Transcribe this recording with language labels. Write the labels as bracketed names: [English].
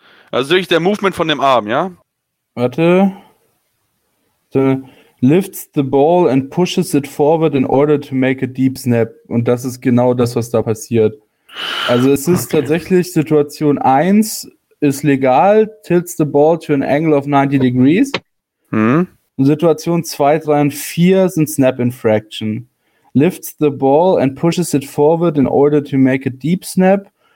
[German] Also wirklich der Movement von dem Arm, ja? Warte. [English] The lifts the ball and pushes it forward in order to make a deep snap. [German] Und das ist genau das, was da passiert. Also es ist okay. Tatsächlich Situation 1 ist legal, [English] tilts the ball to an angle of 90 degrees. Hm? [German] Situation 2, 3 und 4 sind snap infraction. [English] Lifts the ball and pushes it forward in order to make a deep snap.